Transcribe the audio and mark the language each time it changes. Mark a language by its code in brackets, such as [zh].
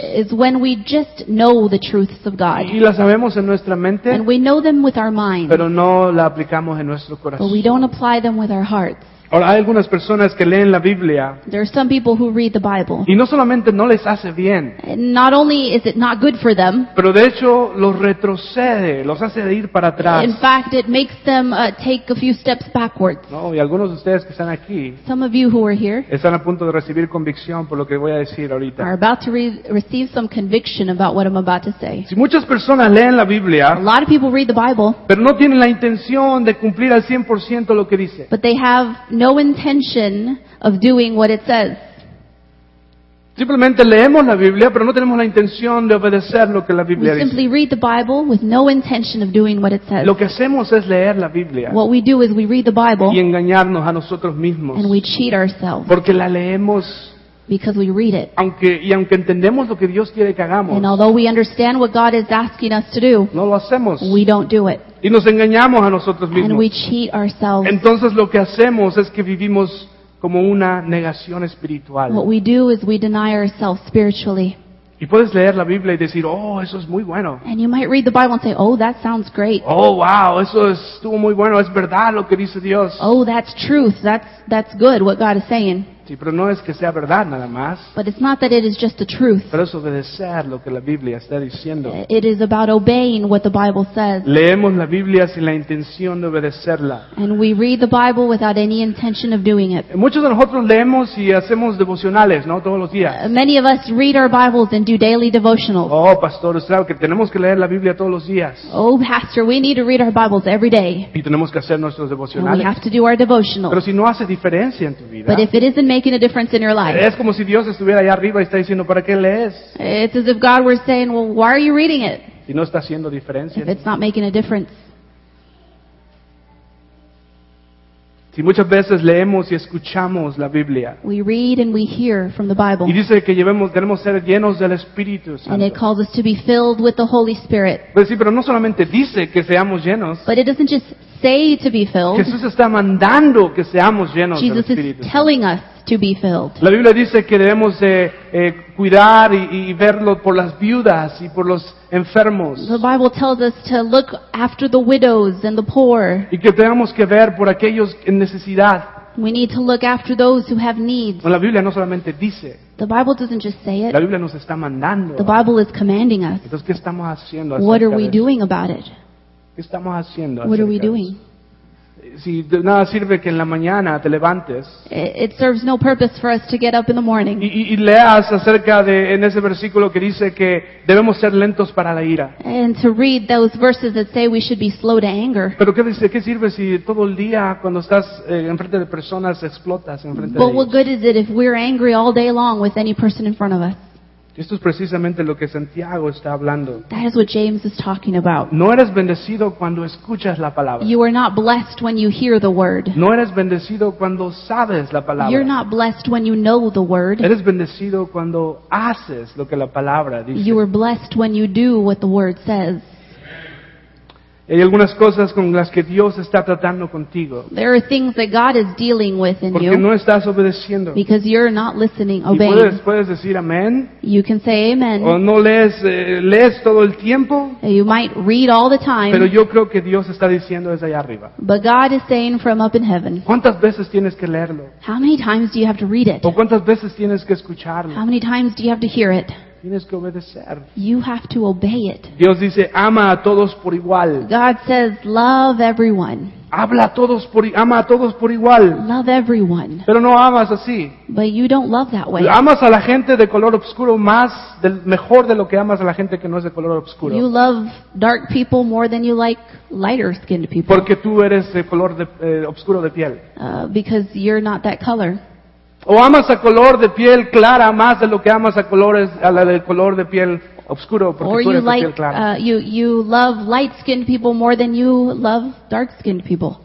[en] Is when we just know the truths of God. [es] Y la sabemos en nuestra mente. [en] And we know them with our mind. [es] Pero no la aplicamos en nuestro corazón. [en] But we don't apply them with our hearts. [es] Ahora, hay algunas personas que leen la Biblia. [en] There are some people who read the Bible. [es] Y no solamente no les hace bien. [en] Not only is it not good for them. [es] Pero de hecho, los retrocede, los hace ir para atrás. [en] In fact, it makes them take a few steps backwards. [es] No, y algunos de ustedes que están aquí. [en] Some of you who are here. [es] Están a punto de recibir convicción por lo que voy a decir ahorita. [en] Are about to receive some conviction about what I'm about to say. [es] Si muchas personas leen la Biblia. [en] A lot of people read the Bible. [es] Pero no tienen la intención de cumplir al 100% lo que dice. [en] But they have no intention of doing what it says. [es] Simplemente leemos la Biblia, pero no tenemos la intención de obedecer lo que la Biblia dice. [en] We simply read the Bible with no intention of doing what it says. [es] Lo que hacemos es leer la Biblia. [en] What we do is we read the Bible. [es] Y engañarnos a nosotros mismos. [en] And we cheat ourselves. [es] Porque la leemos. [en] Because we read it. [es] Aunque entendemos lo que Dios quiere que hagamos. [en] And although we understand what God is asking us to do. [es] No lo hacemos. [en] We don't do it. [es] Y nos engañamos a nosotros mismos. [en] And we cheat ourselves. [es] Entonces lo que hacemos es que vivimos como una negación espiritual. [en] What we do is we deny ourselves spiritually. [es] Y puedes leer la Biblia y decir, oh, eso es muy bueno. [en] And you might read the Bible and say, oh, that sounds great. [es] Oh, wow, eso estuvo muy bueno. Es verdad lo que dice Dios. [en] Oh, that's truth. That's good what God is saying. [es] Sí, pero no es que sea verdad nada más. [en] But it's not that it is just the truth. [es] Pero es obedecer lo que la Biblia está diciendo. [en] It is about obeying what the Bible says. [es] Leemos la Biblia sin la intención de obedecerla. [en] And we read the Bible without any intention of doing it. [es] Muchos de nosotros leemos y hacemos devocionales, ¿no? Todos los días. [en] Many of us read our Bibles and do daily devotionals. [es] Oh, pastor, usted sabe que tenemos que leer la Biblia todos los días. [en] Oh, pastor, we need to read our Bibles every day. [es] Y tenemos que hacer nuestros devocionales. [en] And we have to do our devotionals. [es] Pero si no hace diferencia en tu vida. [en] But if it isn't making a difference in your life. [es] Es como si Dios estuviera allá arriba y está diciendo, ¿para qué lees? [en] It's as if God were saying, well, why are you reading it? [es] Si no está haciendo diferencia. [en] If it's not making a difference. [es] Si muchas veces leemos y escuchamos la Biblia. [en] We read and we hear from the Bible. [es] Y dice que debemos ser llenos del Espíritu Santo. [en] And it calls us to be filled with the Holy Spirit. [es] Pues sí, pero no solamente dice que seamos llenos. [en] But it doesn't just say to be filled. [es] Jesús está mandando que seamos llenos [en] Jesus [es] del Espíritu [en] Santo. Jesus is telling us to be filled. [es] La Biblia dice que debemos cuidar y verlo por las viudas y por los enfermos. [en] The Bible tells us to look after the widows and the poor. [es] Y que tenemos que ver por aquellos en necesidad. [en] We need to look after those who have needs. [es] Bueno, la Biblia no solamente dice. [en] The Bible doesn't just say it. [es] La Biblia nos está mandando. [en] The Bible is commanding us. [es] Entonces, ¿qué estamos haciendo? [en] What are we doing about it? [es] ¿Qué estamos haciendo? [en] What are we doing? [es] Si de nada sirve que en la mañana te levantes. [en] It serves no purpose for us to get up in the morning. [es] Y leas acerca de en ese versículo que dice que debemos ser lentos para la ira. [en] And to read those verses that say we should be slow to anger. [es] Pero qué sirve si todo el día cuando estás enfrente de personas explotas enfrente de ellos. [en] But what good is it if we're angry all day long with any person in front of us? [es] Esto es precisamente lo que Santiago está hablando. [en] That is what James is talking about. [es] No eres bendecido cuando escuchas la palabra. [en] You are not blessed when you hear the word. [es] No eres bendecido cuando sabes la palabra. [en] You're not blessed when you know the word. [es] Eres bendecido cuando haces lo que la palabra dice. [en] You are blessed when you do what the word says. [es] Hay algunas cosas con las que Dios está tratando contigo. [en] There are things that God is dealing with in [es] porque [en] you. [es] Porque no estás obedeciendo. [en] Because you're not listening, obeying. [es] Y puedes decir amén. [en] You can say amen. [es] O no lees todo el tiempo. [en] You might read all the time. [es] Pero yo creo que Dios está diciendo desde allá arriba. [en] But God is saying from up in heaven. [es] ¿Cuántas veces tienes que leerlo? [en] How many times do you have to read it? [es] ¿O cuántas veces tienes que escucharlo? [en] How many times do you have to hear it? [es] Tienes que obedecer. [en] You have to obey it. [es] Dios dice, ama a todos por igual. [en] God says, love everyone. [es] Habla a todos por ama a todos por igual. [en] Love everyone. [es] Pero no amas así. [en] But you don't love that way. [es] Amas a la gente de color oscuro más del mejor de lo que amas a la gente que no es de color oscuro. [en] You love dark people more than you like lighter skinned people. [es] Porque tú eres de color oscuro de piel. [en] Because you're not that color. [es] O amas a color de piel clara más de lo que amas a colores a la de color de piel oscuro porque [en] or [es] tú eres [en] you like, [es] piel clara. [en] You love light-skinned people more than you love dark-skinned people.